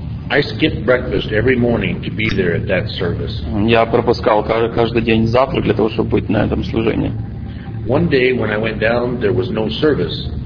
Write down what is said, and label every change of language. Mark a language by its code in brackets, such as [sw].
[en] I skipped breakfast every morning to be there at that service. [ru] Я пропускал каждый день завтрак для того, чтобы быть на этом служении. [en] One day when I went down, there was no service.